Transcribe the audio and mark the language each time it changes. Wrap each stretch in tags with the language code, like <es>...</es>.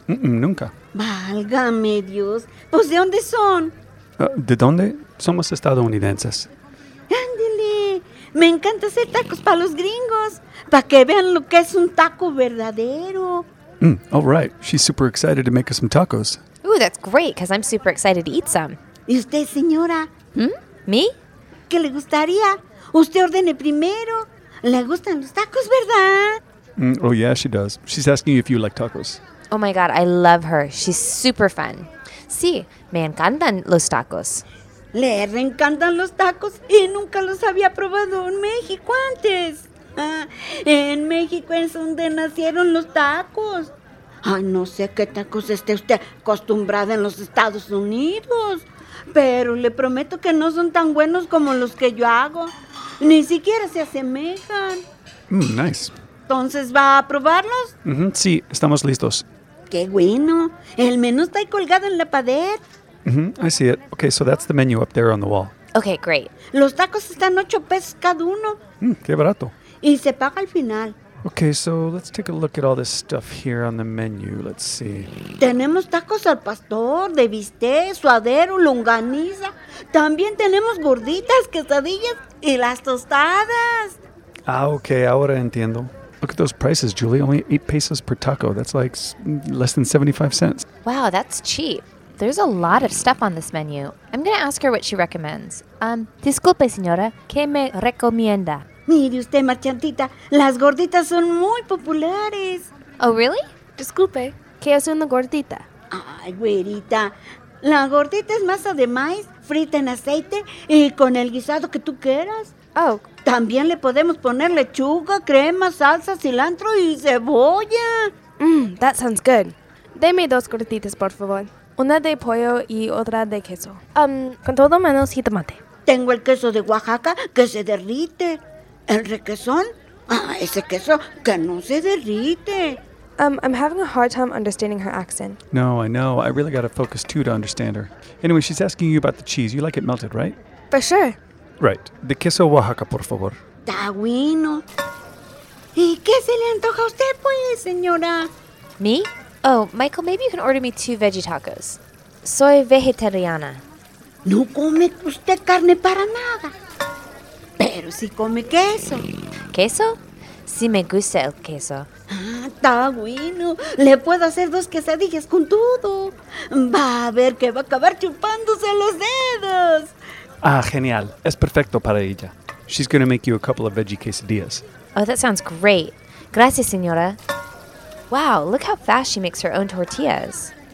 <es>Nunca. ¡Válgame Dios! ¿Pues de dónde son? ¿De dónde? Somos estadounidenses. ¡Ándale! Me encanta hacer tacos para los gringos, para que vean lo que es un taco verdadero.</es> <en>All right. She's super excited to make us some tacos. Ooh, that's great, because I'm super excited to eat some.</en> <es>¿Y usted, señora? ¿Me? ¿Qué le gustaría? Usted ordene primero. ¿Le gustan los tacos, verdad?</es> <en>Oh, yeah, she does. She's asking if you like tacos. Oh, my God, I love her. She's super fun.</en> <es>Sí, me encantan los tacos. Le encantan los tacos y nunca los había probado en México antes. En México es donde nacieron los tacos. Ay, no sé qué tacos esté usted acostumbrada en los Estados Unidos. Pero le prometo que no son tan buenos como los que yo hago. Ni siquiera se asemejan.</es> <en>Nice.</en> <es>Entonces, ¿va a probarlos? Mm-hmm. Sí, estamos listos. ¡Qué bueno! El menú está ahí colgado en la pared.</es> <en>Mm-hmm. I see it. Okay, so that's the menu up there on the wall. Okay, great.</en> <es>Los tacos están 8 pesos cada uno. ¡Qué barato! Y se paga al final.</es> <en>Okay, so let's take a look at all this stuff here on the menu. Let's see.</en> <es>Tenemos tacos al pastor, de bistec, suadero, longaniza. También tenemos gorditas, quesadillas y las tostadas.</es> <en>Ah, okay,</en> <es>ahora entiendo.</es> <en>Look at those prices, Julie. Only 8 pesos per taco. That's like less than 75 cents. Wow, that's cheap. There's a lot of stuff on this menu. I'm going to ask her what she recommends.</en> <es>Disculpe, señora. ¿Qué me recomienda? Mire usted, marchantita, las gorditas son muy populares.</es> <en>Oh, really?</en> <es>Disculpe, ¿qué es una gordita? Ay, güerita, la gordita es masa de maíz frita en aceite y con el guisado que tú quieras.</es> <en>Oh.</en> <es>También le podemos poner lechuga, crema, salsa, cilantro y cebolla.</es> <en>That sounds good.</en> <es>Deme 2 gorditas, por favor. Una de pollo y otra de queso. Con todo menos jitomate. Tengo el queso de Oaxaca que se derrite. ¿El requesón? ¡Ah, ese queso que no se derrite!</es> <en>I'm having a hard time understanding her accent. No, I know. I really gotta focus too to understand her. Anyway, she's asking you about the cheese. You like it melted, right? For sure. Right.</en> <es>De queso Oaxaca, por favor. ¡Está bueno! ¿Y qué se le antoja a usted, pues, señora? ¿Me?</es> <en>Oh, Michael, maybe you can order me 2 veggie tacos.</en> <es>Soy vegetariana. No come usted carne para nada. Pero si come queso. ¿Queso? Sí me gusta el queso. Está bueno. Le puedo hacer dos quesadillas con todo. Va a ver que va a acabar chupándose los dedos. Ah, genial. Es perfecto para ella.</es> <en>She's going to make you a couple of veggie quesadillas. Oh, that sounds great.</en> <es>Gracias, señora.</es> <en>Wow, look how fast she makes her own tortillas.</en>